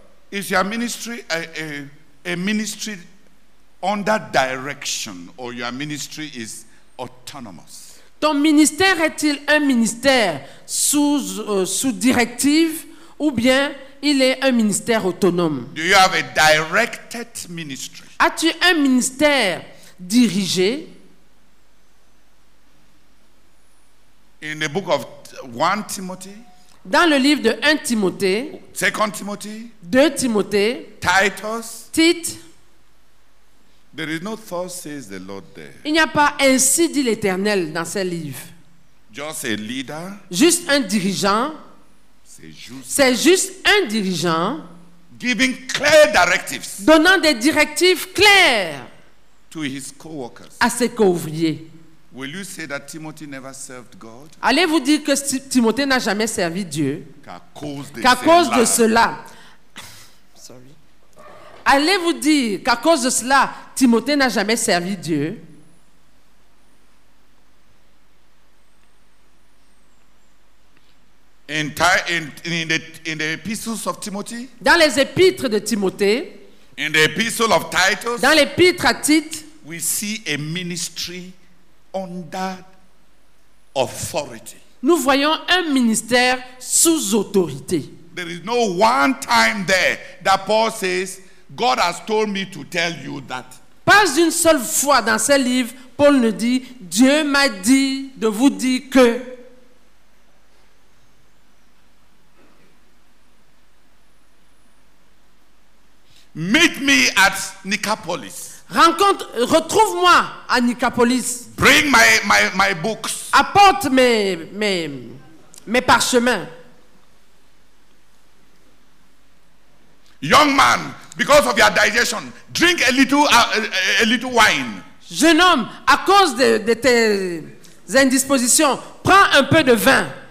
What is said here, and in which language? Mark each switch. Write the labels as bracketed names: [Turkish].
[English] Is your ministry a ministry under direction, or your ministry is autonomous? [French] Ton ministère est-il un ministère sous directive, ou bien il est un ministère autonome? [English] Do you have a directed ministry? [French] As-tu un ministère dirigé? [English] In the book of 1 Timothy. [French] Dans le livre de 1 Timothée, 2 Timothée, 2 Timothée, [English] Titus, [French] Tite, [English] there is no thought says the Lord there. [French] Il n'y a pas ainsi dit l'Éternel dans ce livre. [English] Just a leader, [French] juste un dirigeant, c'est juste un dirigeant, [English] giving clear directives, [French] donnant des directives claires [English] to his co-workers, [French] à ses co-ouvriers. [English] Will you say that Timothy never served God? [French] Allez-vous dire que Timothée n'a jamais servi Dieu? Qu'à cause de cela. [English] Sorry. [French] Allez-vous dire qu'à cause de cela, Timothée n'a jamais servi Dieu? [English] In the epistles of Timothy? [French] Dans les épîtres de Timothée. [English] In the epistle of Titus? [French] Dans l'épître à Tite. [English] We see a ministry under authority. [French] Nous voyons un ministère sous autorité. [English] There is no one time there that Paul says, God has told me to tell you that. [French] Pas une seule fois dans ce livre, Paul nous dit, Dieu m'a dit de vous dire que. [English] Meet me at Nicopolis. [French] Rencontre, retrouve-moi à Nicopolis. [English] Bring my books. [French] Apporte mes parchemins. [English] Young man, because of your digestion, drink a little wine. [French] Jeune homme, à cause de tes indispositions, prends un peu de vin.